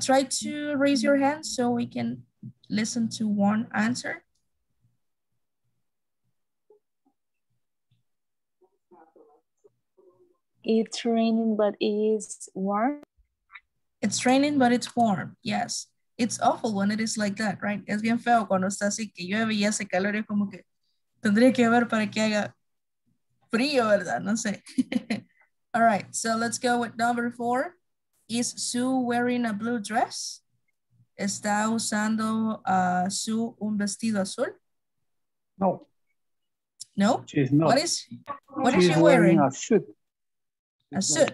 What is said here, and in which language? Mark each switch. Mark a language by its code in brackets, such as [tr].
[en] Try to raise your hand so we can listen to one answer. It's raining, but it's warm. It's raining, but it's warm. Yes. It's awful when it is like that, right? [es] Es bien feo cuando está así que llueve y hace calor. Es como que tendría que ver para que haga frío, ¿verdad? No sé. [en] All right, so let's go with number four. Is Sue wearing a blue dress? [es] ¿Está usando Sue un vestido azul? [en] No. No? She's not. What is she wearing? A suit.